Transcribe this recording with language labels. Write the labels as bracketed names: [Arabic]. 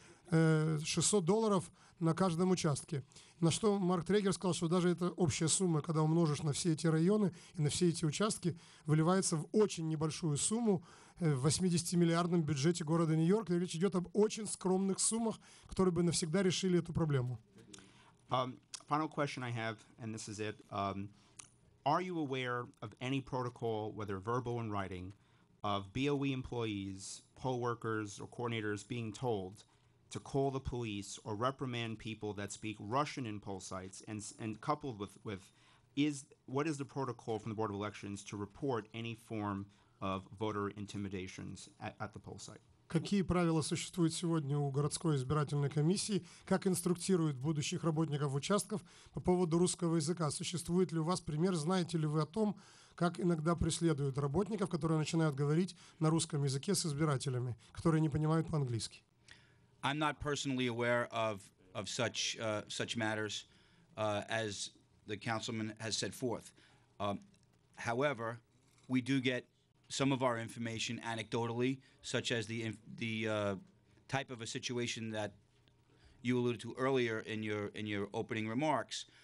[Russian] $600 на каждом участке. На что Марк Трегер сказал, что даже эта общая сумма, когда умножишь на все эти районы и на все эти участки, выливается в очень небольшую сумму в 80-миллиардном бюджете города Нью-Йорк. И речь идет об очень скромных суммах, которые бы навсегда решили эту проблему. [English] Final question I have, and this is it. Are you aware of any protocol, whether verbal or writing, of BOE employees, poll workers, or coordinators being told to call the police or reprimand people that speak Russian in poll sites? And coupled with, what is the protocol from the Board of Elections to report any form of voter intimidations at the poll site? [Russian] Какие правила существуют сегодня у городской избирательной комиссии? Как инструктируют будущих работников участков по поводу русского языка? Существует ли у вас пример? Знаете ли вы о том, как иногда преследуют работников, которые начинают говорить на русском языке с избирателями, которые не понимают по-английски? [English] I'm not personally aware of such matters as the councilman has set forth. However, we do get some of our information anecdotally, such as the type of a situation that you alluded to earlier in your opening remarks.